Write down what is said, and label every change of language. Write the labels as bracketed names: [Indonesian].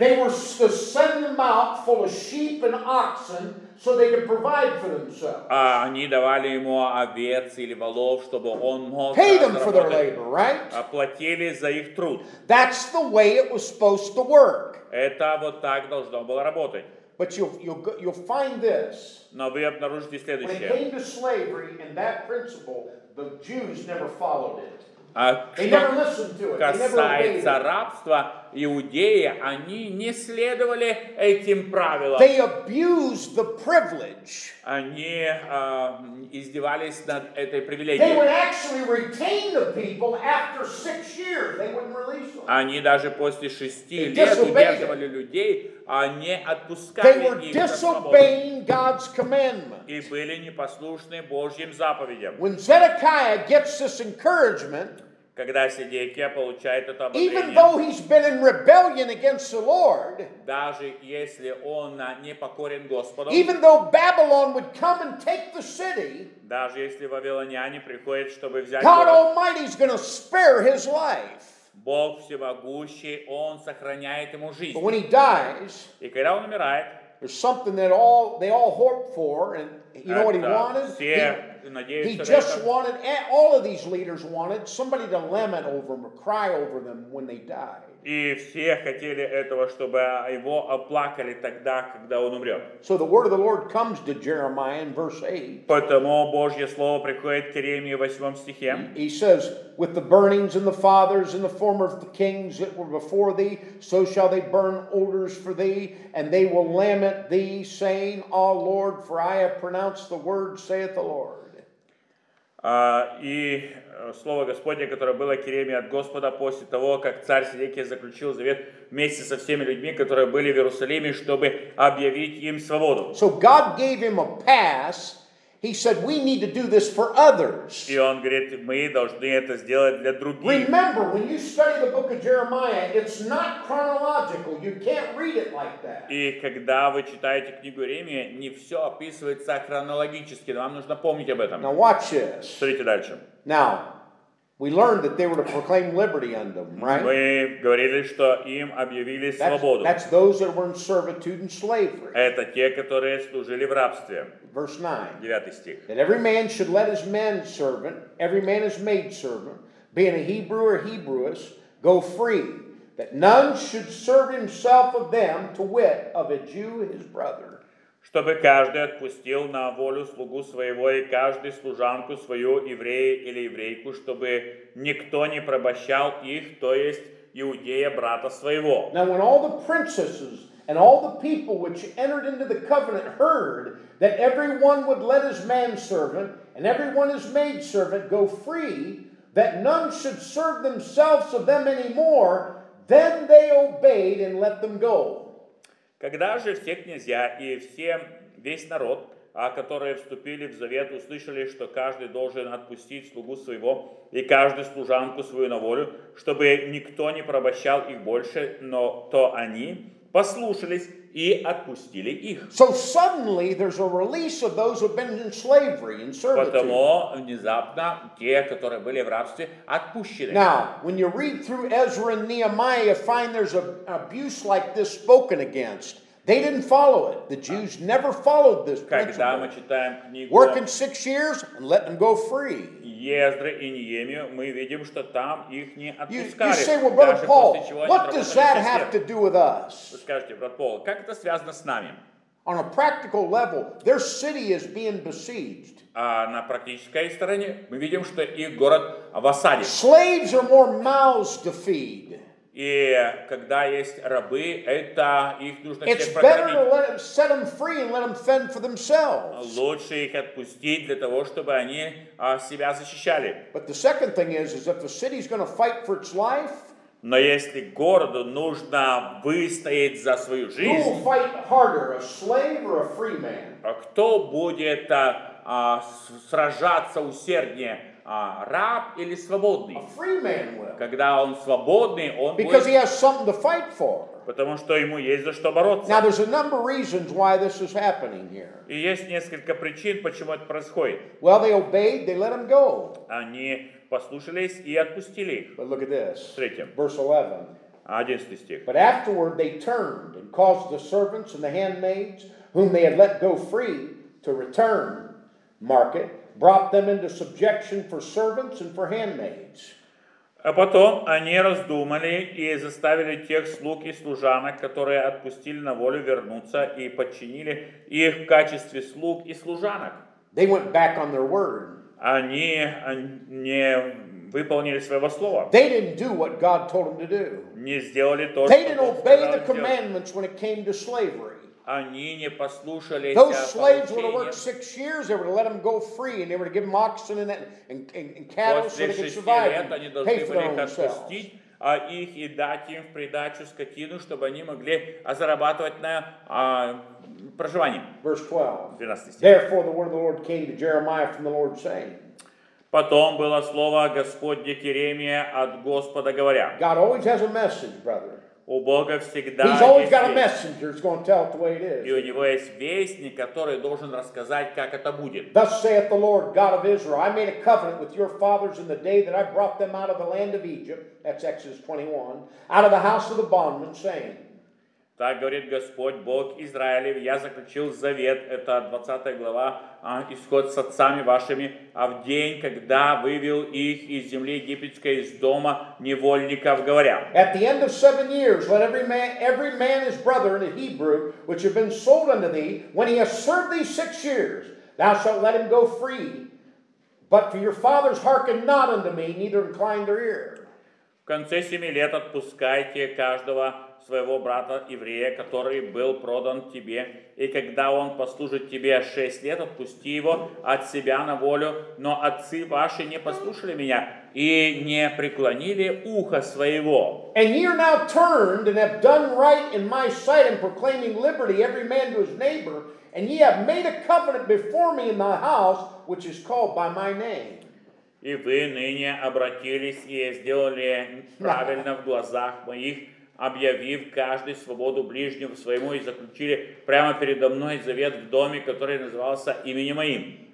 [English] They were to send them out full of sheep and oxen so they could provide for themselves. [Russian] А они давали ему овец или волов, чтобы он мог [English] pay them for their labor, right? [Russian] Оплатили за их труд. [English] That's the way it was supposed to work. [Russian] Это вот так должно было работать. [English] But you'll find this. [Russian] Но вы обнаружите следующее. [English] When it came to slavery and that principle, the Jews never followed it. They never listened to it. They never obeyed. [Russian] Касается рабства, иудеи, они не следовали этим правилам. [English] They abused the privilege. [Russian] Они издевались над этой привилегией. [English] They would actually retain the people after 6 years. They wouldn't release them. [Russian] Они даже после 6 лет удерживали людей, а не отпускали их. [English] They were disobeying God's commandment. [Russian] И были непослушны Божьим заповедям. [English] When Zedekiah gets this encouragement, [Russian] когда Сидекия получает это ободрение, [English] even though he's been in rebellion against the Lord, [Russian] даже если он не покорен Господу, [English] even though Babylon would come and take the city, [Russian] даже если вавилоняне приходят, чтобы взять [English] God [Russian] город, [English] Almighty's going to spare his life. [Russian] Бог всемогущий, он сохраняет ему жизнь. [English] But when he dies, [Russian] и когда он умирает, [English] there's something that they all hoped for, and you know what he wanted? [Russian] Все [English] He just wanted, all of these leaders wanted somebody to lament over them or cry over them when they died. [Russian] И все хотели этого, чтобы его оплакали тогда, когда он умрет. [English] So the word of the Lord comes to Jeremiah in verse 8. [Russian] Потому Божье слово приходит к Иеремии в 8 стихе. [English] He says, with the burnings and the fathers and the former kings that were before thee, so shall they burn odors for thee, and they will lament thee, saying, O Lord, for I have pronounced the word, saith the Lord. [Russian] И слово Господне, которое было к Иеремии от Господа после того, как царь Сидекия заключил завет вместе со всеми людьми, которые были в Иерусалиме, чтобы объявить им свободу. [English] So God gave him a pass. He said, we need to do this for others. [Russian] И он говорит, мы должны это сделать для других. [English] Remember, when you study the book of Jeremiah, it's not chronological. You can't read it like that. [Russian] И когда вы читаете книгу Иеремии, не все описывается хронологически. Вам нужно помнить об этом. [English] Now watch this. [Russian] Смотрите дальше. [English] Now, we learned that they were to proclaim liberty unto them, right? [Russian] Мы говорили, что им объявили свободу. [English] That's those that were in servitude and slavery. [Russian] Это те, которые служили в рабстве. [English] Verse 9. [Russian] 9 стих. [English] That every man should let his manservant, every man his maidservant, being a Hebrew or Hebrewess, go free. That none should serve himself of them, to wit, of a Jew his brother. [Russian] Чтобы каждый отпустил на волю слугу своего и каждый служанку свою, еврея или еврейку, чтобы никто не пробощал их, то есть иудея брата своего. [English] Now when all the princesses and all the people which entered into the covenant heard that everyone would let his manservant and everyone his maidservant go free, that none should serve themselves of them anymore, then they obeyed and let them go. [Russian] Когда же все князья и все, весь народ, которые вступили в завет, услышали, что каждый должен отпустить слугу своего и каждую служанку свою на волю, чтобы никто не пробощал их больше, но то они послушались и отпустили их. [English] So suddenly there's a release of those who've been in slavery and servitude. [Russian] Потому внезапно те, которые были в рабстве, отпущены. [English] Now, when you read through Ezra and Nehemiah, you find there's an abuse like this spoken against. They didn't follow it. The Jews never followed this principle. [Russian] Когда мы читаем книгу... [English] Working 6 years and let them go free. [Russian] Ездры и Неемию, мы видим, что там их не отпускали. [English] You say, well, Brother Paul, what does that have to do with us? [Russian] Вы скажете, брат Пол, как это связано с нами? [English] On a practical level, their city is being besieged. [Russian] А на практической стороне мы видим, что их город в осаде. [English] Slaves are more mouths to feed. [Russian] И когда есть рабы, это их нужно [English] It's better to let them, set them free and let them fend for themselves. [Russian] Лучше их отпустить для того, чтобы они себя защищали. [English] But the second thing is if a city's going to fight for its life, [Russian] но если городу нужно выстоять за свою жизнь, [English] who will fight harder, a slave or a free man? [Russian] Кто будет сражаться усерднее? Раб или свободный? [English] A free man will. [Russian] Когда он свободный, он [English] Because [Russian] будет... [English] he has something to fight for. [Russian] Потому что ему есть за что бороться. [English] Now there's a number of reasons why this is happening here. [Russian] И есть несколько причин, почему это происходит. [English] Well, they obeyed, they let him go. [Russian] Они послушались и отпустили их. [English] But look at this. [Russian] Третье. [English] Verse 11. [Russian] 11 стих. [English] But afterward they turned and caused the servants and the handmaids, whom they had let go free, to return. Mark it. Brought them into subjection for servants and for handmaids. [Russian] А потом они раздумали и заставили тех слуг и служанок, которые отпустили на волю, вернуться и подчинили их в качестве слуг и служанок. [English] They went back on their word. [Russian] Они не выполнили своего слова. [English] They didn't do what God told them to do. [Russian] Не сделали то, [English] they [Russian] что [English] They didn't obey the commandments when it came to slavery. [Russian] Они не послушались. [English] Those slaves were to work 6 years. They were to let them go free, and they were to give them oxen and cattle so they could survive. Pay for [Russian] их отпустить, а их и дать им в придачу скотину, чтобы они могли зарабатывать на проживание. [English] Verse 12. [Russian] 12 стих. [English] Therefore, the word of the Lord came to Jeremiah from the Lord, saying. [Russian] Потом было слово Господне к Иеремии от Господа говоря. [English] God always has a message, brother. [Russian] У Бога всегда [English] He's always got a messenger who's going to tell it the way it is. [Russian] И у него есть вестник, который должен рассказать, как это будет. [English] Thus saith the Lord God of Israel, I made a covenant with your fathers in the day that I brought them out of the land of Egypt, that's Exodus 21, out of the house of the bondman, saying. [Russian] Так говорит Господь Бог Израилев, я заключил завет, это 20 глава, исход с отцами вашими, а в день, когда вывел их из земли египетской, из дома невольников, говоря. [English] At the end of 7 years, let every man his brother in a Hebrew, which have been sold unto thee, when he has served thee 6 years, thou shalt let him go free, but for your fathers hearken not unto me, neither incline their ear. [Russian] В конце 7 лет отпускайте каждого своего брата еврея, который был продан тебе, и когда он послужит тебе 6 лет, отпусти его от себя на волю. Но отцы ваши не послушали меня и не преклонили ухо своего. [English] And ye are now turned and have done right in my sight in proclaiming liberty every man to his neighbor, and ye have made a covenant before me in my house, which is called by my name. [Russian] И вы ныне обратились и сделали правильно в глазах моих, объявив каждый свободу ближнему своему и заключили прямо передо мной завет в доме, который назывался именем моим.